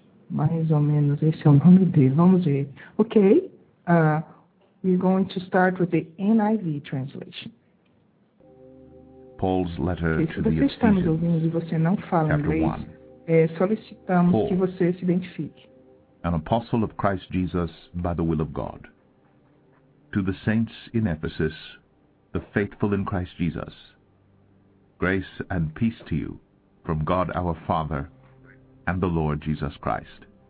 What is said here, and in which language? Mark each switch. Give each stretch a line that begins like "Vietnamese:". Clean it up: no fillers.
Portuguese: Mais ou menos, esse é o nome dele. Vamos ver. Ok.
English: We're going to start with the NIV translation. Paul's letter to the
Portuguese: Ephesians. Se você está nos ouvindo e você não fala inglês, solicitamos
English: Paul,
Portuguese: que você se identifique.
English: An apostle of Christ Jesus by the will of God. To the saints in Ephesus, the faithful in Christ Jesus, grace and peace to you from God our Father and the Lord Jesus Christ.